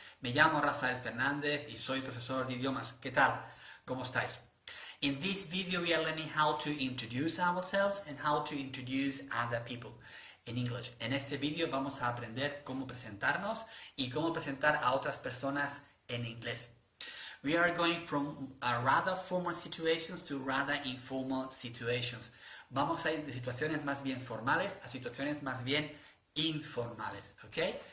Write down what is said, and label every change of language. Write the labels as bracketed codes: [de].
[es] Me llamo RAFAEL FERNANDEZ y soy profesor de idiomas. ¿Qué tal? ¿Cómo estáis? [en] In this video, we are learning how to introduce ourselves and how to introduce other people in English. [es] En este video, vamos a aprender cómo presentarnos y cómo presentar a otras personas en inglés. [en] We are going from a rather formal situations to rather informal situations. [es] Vamos a ir de situaciones más bien formales a situaciones más bien informales, okay?